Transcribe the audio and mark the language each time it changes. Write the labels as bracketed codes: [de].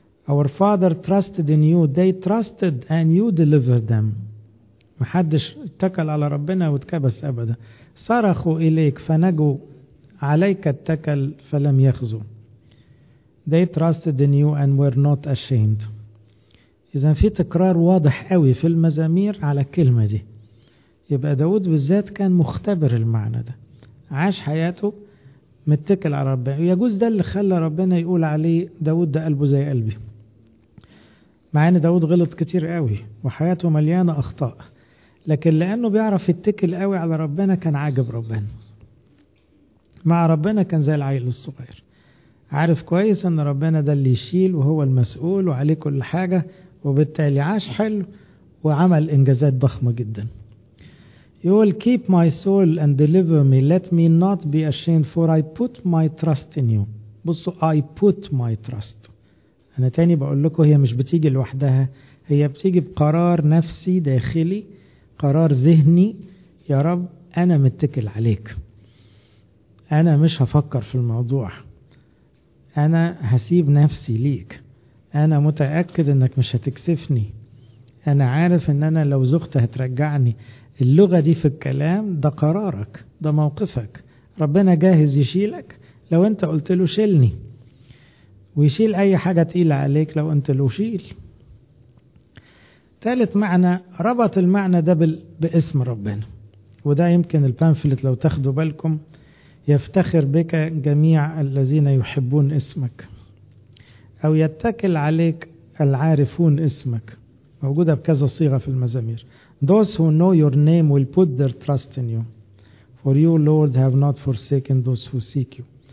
[en] Our father trusted in you, they trusted and you delivered them. [ar] محدش اتكل على ربنا واتكبس أبدا، صرخوا إليك فنجوا، عليك اتكل فلم يخزوا. [en] They trusted in you and were not ashamed. [ar] إذن في تكرار واضح قوي في المزامير على الكلمة دي. يبقى داود بالذات كان مختبر المعنى ده، عاش حياته متكل على ربنا. ويجوز ده اللي خلى ربنا يقول عليه داود ده قلبه زي قلبي، مع ان داود غلط كتير قوي وحياته مليانة اخطاء، لكن لانه بيعرف يتكل قوي على ربنا كان عاجب ربنا. مع ربنا كان زي العيل الصغير، عارف كويس ان ربنا ده اللي يشيل وهو المسؤول وعليه كل حاجة، وبالتالي عاش حلو وعمل انجازات ضخمة جدا. [en] You will keep my soul and deliver me. Let me not be ashamed for I put my trust in you. [ar] بصوا [en] I put my trust. [ar] أنا تاني بقول لكم هي مش بتيجي لوحدها، هي بتيجي بقرار نفسي داخلي، قرار ذهني، يا رب أنا متكل عليك. أنا مش هفكر في الموضوع. أنا هسيب نفسي ليك. أنا متأكد أنك مش هتكسفني. أنا عارف أن أنا لو زغت هترجعني. اللغة دي في الكلام ده قرارك، ده موقفك. ربنا جاهز يشيلك لو انت قلت له شيلني، ويشيل اي حاجة تقيلة عليك لو انت له شيل. ثالث معنى ربط المعنى ده باسم ربنا، وده يمكن البامفلت لو تاخدوا بالكم يفتخر بك جميع الذين يحبون اسمك، او يتكل عليك العارفون اسمك، موجودة بكذا صيغة في المزامير. [en] Those who know your name will put their trust in you. For you, Lord, have not forsaken those who seek you.